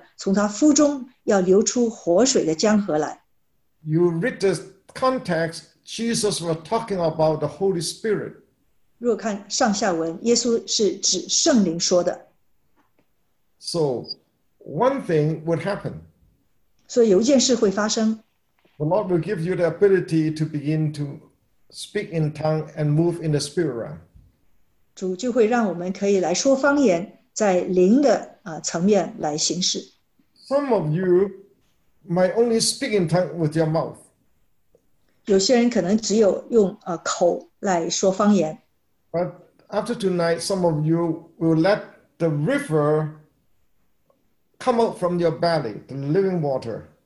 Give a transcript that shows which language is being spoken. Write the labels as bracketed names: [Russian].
[Chinese] 那些相信而且渴慕的，从他腹中要流出活水的江河来。 [English] You read the context, Jesus was talking about the Holy Spirit. [Chinese] 若看上下文，耶稣是指圣灵说的。 [English] So, one thing would happen. [Chinese] 所以有一件事会发生。 [English] The Lord will give you the ability to begin to speak in tongue and move in the spirit realm. [Chinese] 主就会让我们可以来说方言，在灵的层面来行事。 [English] Some of you might only speak in tongue with your mouth. [Chinese] 有些人可能只有用口来说方言。 [English] But after tonight, some of you will let the river come out from your belly, the living water.